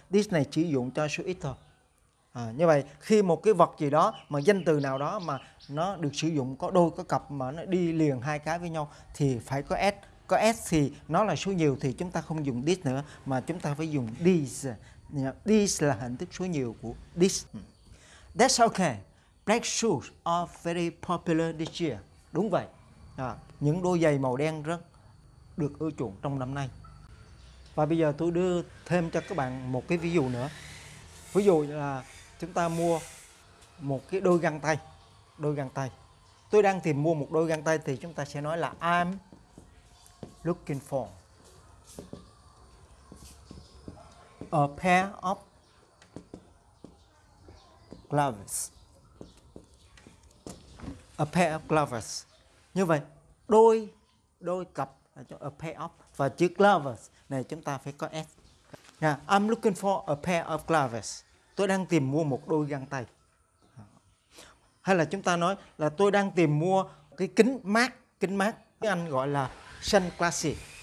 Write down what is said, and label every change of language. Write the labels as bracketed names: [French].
[Vietnamese] This này chỉ dùng cho số ít thôi. Như vậy, khi một cái vật gì đó mà danh từ nào đó mà nó được sử dụng có đôi có cặp mà nó đi liền hai cái với nhau thì phải có s. Có s thì nó là số nhiều, thì chúng ta không dùng this nữa mà chúng ta phải dùng these. These là hình thức số nhiều của this. [English] That's okay. Black shoes are very popular this year. [Vietnamese] Đúng vậy. Những đôi giày màu đen rất được ưa chuộng trong năm nay. Và bây giờ tôi đưa thêm cho các bạn một cái ví dụ nữa. Ví dụ là chúng ta mua một cái đôi găng tay. Đôi găng tay. Tôi đang tìm mua một đôi găng tay thì chúng ta sẽ nói là [English] I'm looking for a pair of gloves. A pair of gloves. [Vietnamese] Như vậy, đôi cặp, [English] a pair of, [Vietnamese] và chữ gloves này chúng ta phải có S. [English] Yeah, I'm looking for a pair of gloves. [Vietnamese] Tôi đang tìm mua một đôi găng tay. Hay là chúng ta nói là tôi đang tìm mua cái kính mát. Kính mát tiếng Anh gọi là sunglasses.